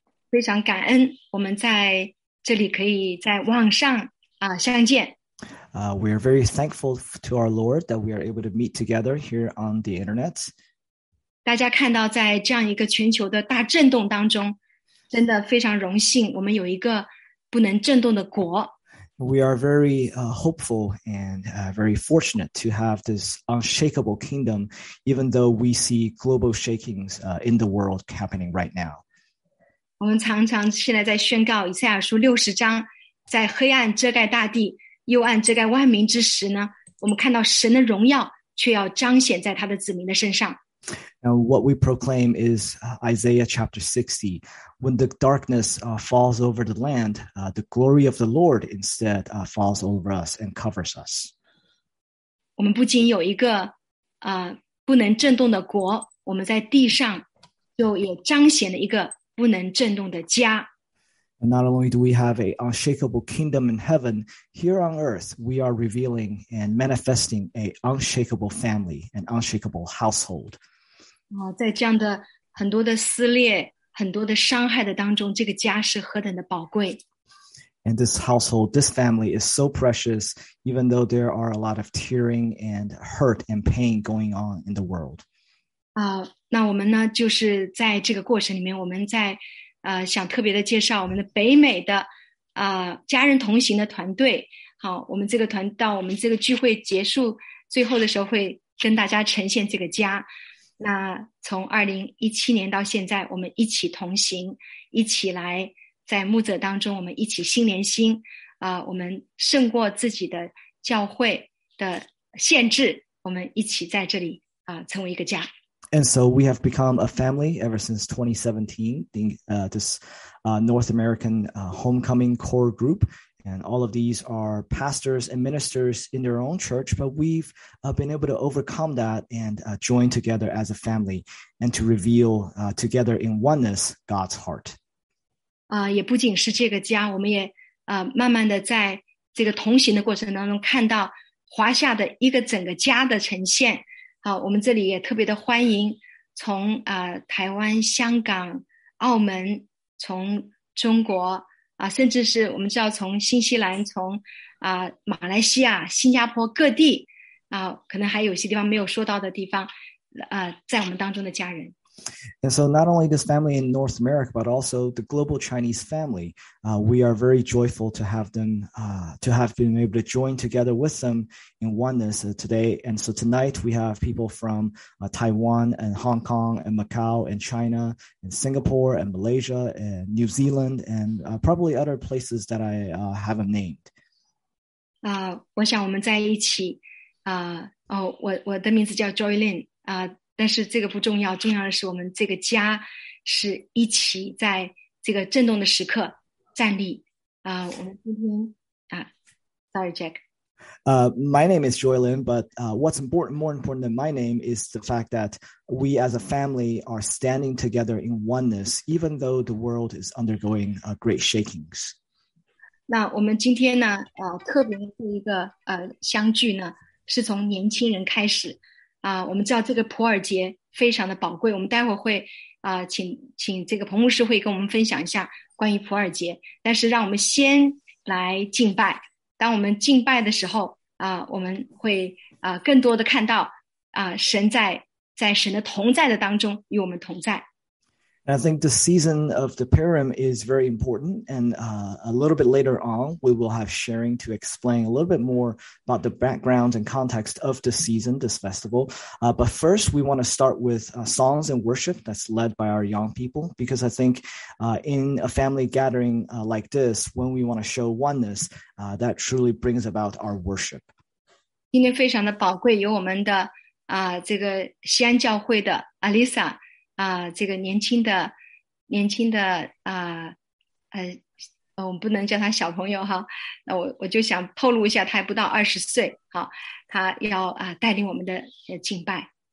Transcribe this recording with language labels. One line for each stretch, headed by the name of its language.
Chinese: 非常感恩，我们在这里可以在网上相见。
English: We are very thankful to our Lord that we are able to meet together here on the internet.
Chinese: 大家看到，在这样一个全球的大震动当中，真的非常荣幸，我们有一个不能震动的国。
English: We are very hopeful and very fortunate to have this unshakable kingdom, even though we see global shakings in the world happening right now.
Chinese: 我们常常现在在宣告以赛亚书60章，在黑暗遮盖大地、幽暗遮盖万民之时呢，我们看到神的荣耀却要彰显在他的子民的身上。
English: Now, what we proclaim is Isaiah chapter 60. When the darkness falls over the land, the glory of the Lord instead falls over us and covers us.
Chinese: 我们不仅有一个不能震动的国，我们在地上就也彰显了一个不能震动的家。
English: And not only do we have an unshakable kingdom in heaven, here on earth, we are revealing and manifesting an unshakable family, an unshakable household.
Chinese: 在这样的很多的撕裂、很多的伤害的当中，这个家是何等的宝贵。
English: And this household, this family is so precious, even though there are a lot of tearing and hurt and pain going on in the world.
Chinese: 那我们呢，就是在这个过程里面，我们在想特别的介绍我们的北美的家人同行的团队。好，我们这个团到我们这个聚会结束最后的时候，会跟大家呈现这个家。那从2017年到现在，我们一起同行，一起来在牧者当中，我们一起心连心。我们胜过自己的教会的限制，我们一起在这里成为一个家。
English: And so we have become a family ever since 2017, this North American homecoming core group. And all of these are pastors and ministers in their own church, but we've been able to overcome that and join together as a family and to reveal together in oneness God's heart.
Chinese: 也不仅是这个家，我们也慢慢的在这个同行的过程当中，看到华夏的一个整个家的呈现。我们这里也特别的欢迎从台湾、香港、澳门，从中国甚至是我们知道从新西兰、从马来西亚、新加坡各地可能还有些地方没有说到的地方，在我们当中的家人。
English: And so, not only this family in North America, but also the global Chinese family, we are very joyful to have them, to have been able to join together with them in oneness today. And so, tonight, we have people from Taiwan and Hong Kong and Macau and China and Singapore and Malaysia and New Zealand and probably other places that I haven't named.
Chinese: 我想我们在一起，我的名字叫 Joylin 但是这个不重要，重要的是我们这个家是一起在这个震动的时刻站立。我们今天，
English: sorry
Chinese: Jack。
English: My name is Joylin, but what's important, more important than my name, is the fact that we as a family are standing together in oneness, even though the world is undergoing great shakings.
Chinese: 那我们今天呢，特别的这一个相聚呢，是从年轻人开始我们知道这个普尔节非常的宝贵，我们待会会请这个彭牧师会跟我们分享一下关于普尔节，但是让我们先来敬拜，当我们敬拜的时候我们会更多的看到神在神的同在的当中与我们同在。
English: I think the season of the Purim is very important, and a little bit later on, we will have sharing to explain a little bit more about the background and context of the season, this festival. But first, we want to start with songs and worship that's led by our young people, because I think in a family gathering like this, when we want to show oneness, that truly brings about our worship.
Chinese: 今天非常的宝贵，有我们的这个西安教会的 Alisa 这个年轻的我们不能叫他小朋友哈，那我就想透露一下，他还不到20岁，好，他要带领我们的敬拜。